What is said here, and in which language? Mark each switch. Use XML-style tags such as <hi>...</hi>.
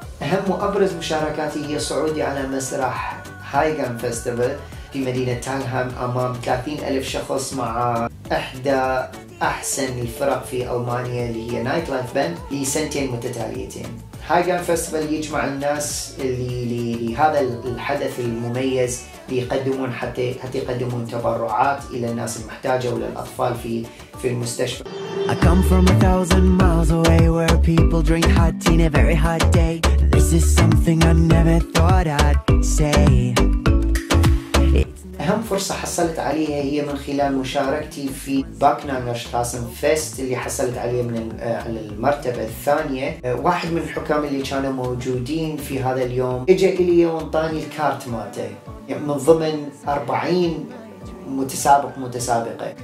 <ar>أهم وأبرز مشاركاتي هي صعودي على مسرح هايغان فيستيفال في مدينة تانهام أمام 30,000 شخص مع إحدى أحسن الفرق في ألمانيا اللي هي نايت لايف باند لسنتين متتاليتين. هايغان فيستيفال يجمع الناس اللي لهذا الحدث المميز، ليقدمون حتى يقدمون تبرعات إلى الناس المحتاجة وللأطفال في المستشفى.</ar> <en>I come from a thousand miles away where people drink hot tea in a very hot day. This is something I never thought I'd say.</en> <ar>أهم فرصة حصلت عليها هي من خلال مشاركتي في باكنانغشتاسن فيست اللي حصلت عليه من المرتبة الثانية. واحد من الحكام اللي كانوا موجودين في هذا اليوم إجا إلي وانطاني الكارت مالته، من ضمن 40 متسابق متسابقة.</ar>